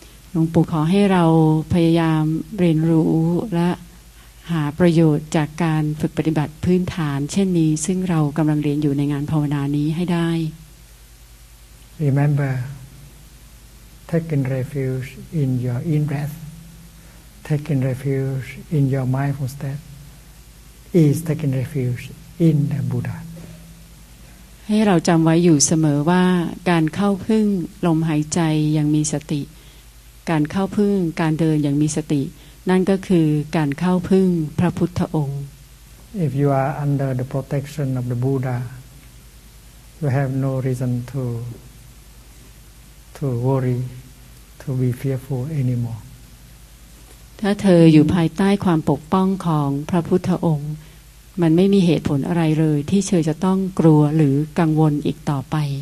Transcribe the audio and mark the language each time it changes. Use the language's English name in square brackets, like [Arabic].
[Thai] หลวงปู่ขอให้เราพยายามเรียนรู้และหาประโยชน์จากการฝึกปฏิบัติพื้นฐานเช่นนี้ซึ่งเรากำลังเรียนอยู่ในงานภาวนานี้ให้ได้ [English] Remember taking refuge in your in breath taking refuge in your mindful state is taking refuge in the Buddha [Thai] ให้เราจำไว้อยู่เสมอว่าการเข้าพึ่งลมหายใจอย่างมีสติการเข้าพึ่งการเดินอย่างมีสตินั่นก็คือการเข้าพึ่งพระพุทธองค์ [English] If you are under the protection of the Buddha you have no reason to worry to be fearful anymore [Thai] ถ้าเธออยู่ภายใต้ความปกป้องของพระพุทธองค์มันไม่มีเหตุผลอะไรเลยที่เธอจะต้องกลัวหรือกังวลอีกต่อไป